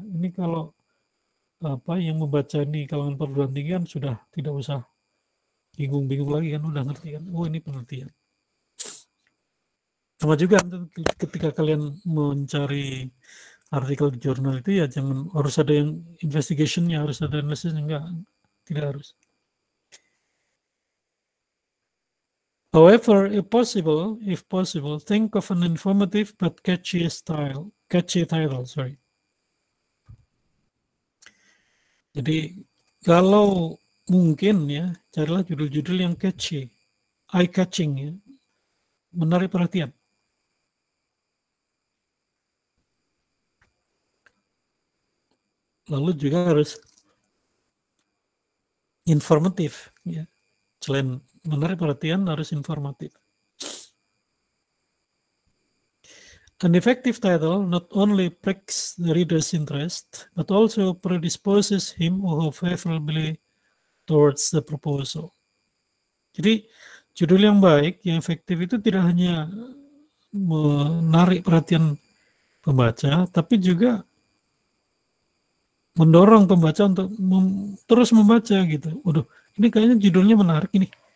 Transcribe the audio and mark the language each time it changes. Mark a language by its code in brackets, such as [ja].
[id] Ini kalau apa yang membaca ini kalangan perguruan tinggi kan sudah tidak usah bingung-bingung lagi kan, udah ngerti kan, oh ini penelitian. Sama juga ketika kalian mencari artikel di jurnal itu ya jangan harus ada yang investigation-nya, harus ada analysis, enggak, tidak harus. [en] However, if possible, think of an informative but catchy style, catchy title, sorry. [id] Jadi kalau mungkin ya carilah judul-judul yang catchy, eye-catching ya, menarik perhatian. Lalu juga harus informatif ya. Selain menarik perhatian harus informatif. [en] An effective title not only piques the reader's interest but also predisposes him or her favorably towards the proposal. [id] Jadi judul yang baik yang efektif itu tidak hanya menarik perhatian pembaca, tapi juga mendorong pembaca untuk terus membaca gitu. Waduh, ini kayaknya judulnya menarik ini.